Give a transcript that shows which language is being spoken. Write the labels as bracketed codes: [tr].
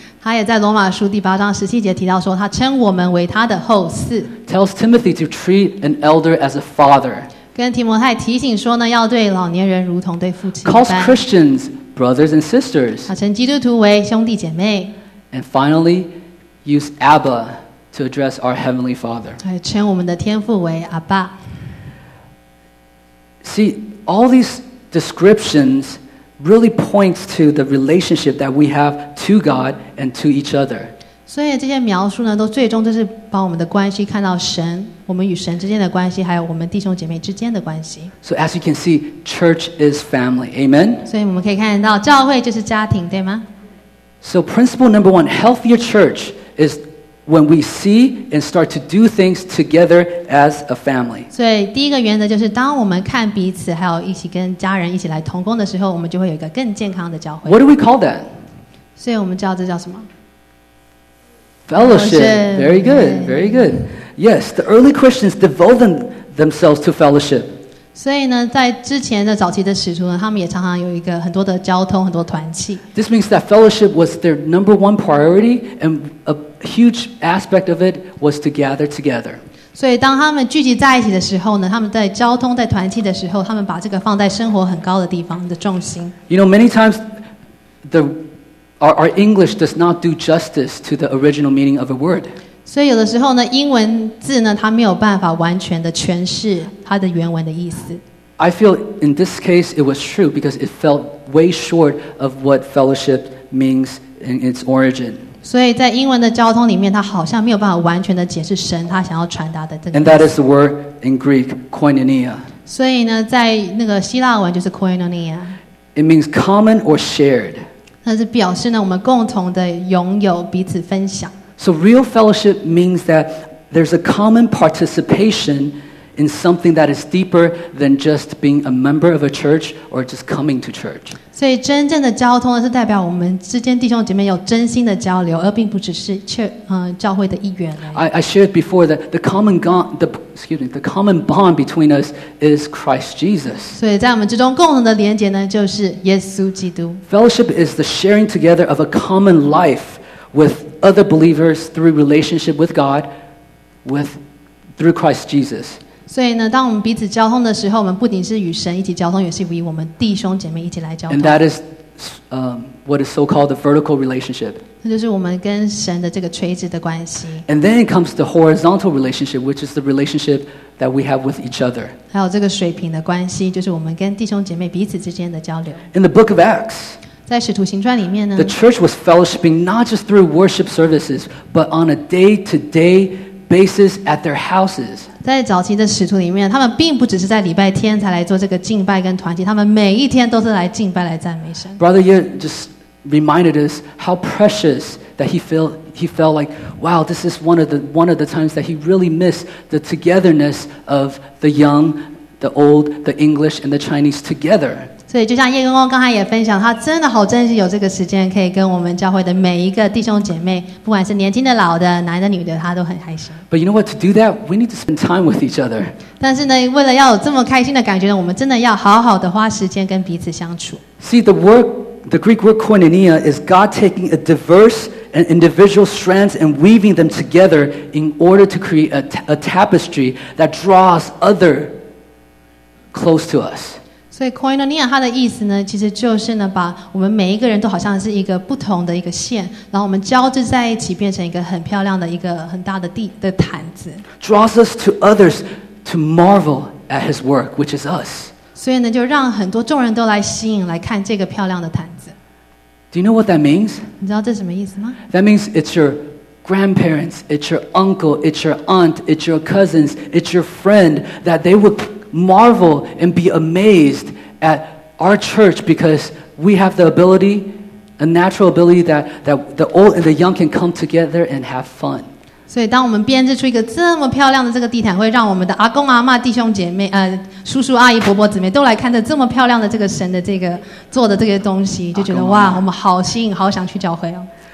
[zh] 他也在罗马书第八章十七节提到说，他称我们为他的后嗣。 [en] Tells Timothy to treat an elder as a father. [zh] 跟提摩太提醒说呢，要对老年人如同对父亲。 [en] Calls Christians brothers and sisters. [zh] 他称基督徒为兄弟姐妹。 [en] And finally, use Abba to address our heavenly Father. [zh] 还称我们的天父为阿爸。 [en] See, all these descriptions really point to the relationship that we have to God and to each other. [zh] 所以这些描述呢，都最终就是把我们的关系看到神。我们与神之间的关系，还有我们弟兄姐妹之间的关系。 [en] So as you can see, church is family. Amen. [zh] 所以我们可以看到，教会就是家庭，对吗 [en] ？So principle number one, healthier church is when we see and start to do things together as a family. [zh] 所以第一个原则就是，当我们看彼此，还有一起跟家人一起来同工的时候，我们就会有一个更健康的教会。 [en] What do we call that? [zh] 所以我们叫这叫什么 [en] ？Fellowship. Very good. Very good. Yes, the early Christians devoted themselves to fellowship. [zh] 所以呢，在之前的早期的使徒呢，他们也常常有一个很多的交通，很多团契。 [en] This means that fellowship was their number one priority, and a huge aspect of it was to gather together. [zh] 所以当他们聚集在一起的时候呢，他们在交通、在团契的时候，他们把这个放在生活很高的地方的重心。 [en] You know, many times our English does not do justice to the original meaning of a word. [zh] 所以有的时候呢，英文字呢，它没有办法完全的诠释它的原文的意思。 [en] I feel in this case it was true because it felt way short of what fellowship means in its origin. [zh] 所以在英文的交通里面，它好像没有办法完全的解释神他想要传达的这个。 [en] And that is the word in Greek, koinonia. [zh] 所以呢，在那个希腊文就是 koinonia. [en] It means common or shared. [zh] 那是表示呢，我们共同的拥有，彼此分享。 [en] So real fellowship means that there's a common participation in something that is deeper than just being a member of a church or just coming to church. [zh] 所以真正的交通是代表我们之间弟兄姐妹有真心的交流，而并不只是教会的一员。 [en] I shared before that the common bond between us is Christ Jesus. [zh] 所以在我们之中共同的连结呢，就是耶稣基督。 [en] Fellowship is the sharing together of a common life with. Other believers through relationship with God, through Christ Jesus. [zh] 所以呢，当我们彼此交通的时候，我们不仅是与神一起交通，也是与我们弟兄姐妹一起来交通。 [en] And that is, what is so-called the vertical relationship. [zh] 那就是我们跟神的这个垂直的关系。 [en] And then comes the horizontal relationship, which is the relationship that we have with each other. [zh] 还有这个水平的关系，就是我们跟弟兄姐妹彼此之间的交流。 [en] In the Book of Acts. [zh] 在使徒行传里面呢 [en] The church was fellowshipping not just through worship services, but on a day-to-day basis at their houses. [zh] 在早期的使徒里面，他们并不只是在礼拜天才来做这个敬拜跟团契，他们每一天都是来敬拜、来赞美神。 [en] Brother Yeh just reminded us how precious that he felt like, wow, this is one of the times that he really missed the togetherness of the young, the old, the English, and the Chinese together. [zh] 所以就像叶公公刚才也分享，他真的好珍惜有这个时间可以跟我们教会的每一个弟兄姐妹，不管是年轻的老的男的女的，他都很开心。 [en] But you know what, to do that we need to spend time with each other. [zh] 但是呢，为了要有这么开心的感觉呢，我们真的要好好的花时间跟彼此相处。 [en] See the word, the Greek word koinonia is God taking a diverse and individual strands and weaving them together in order to create a tapestry that draws other close to us. [zh] 所以 Koinonia 它的意思呢，其实就是呢，把我们每一个人都好像是一个不同的一个线，然后我们交织在一起，变成一个很漂亮的一个很大的地的毯子。 [en] Draws us to others to marvel at His work, which is us. [zh] 所以呢，就让很多众人都来吸引，来看这个漂亮的毯子。 [en] Do you know what that means? [zh] 你知道这什么意思吗 [en] ？That means it's your grandparents, it's your uncle, it's your aunt, it's your cousins, it's your friend that they would. Marvel and be amazed at our church because we have the ability, a natural ability that the old and the young can come together and have fun. [zh] 所以当我们编织出一个这么漂亮的这个地毯，会让我们的阿公阿嬷、弟兄姐妹、叔叔阿姨、伯伯姊妹都来看着这么漂亮的这个神的这个做的这个东西，就觉得哇，我们好吸引，好想去教会哦。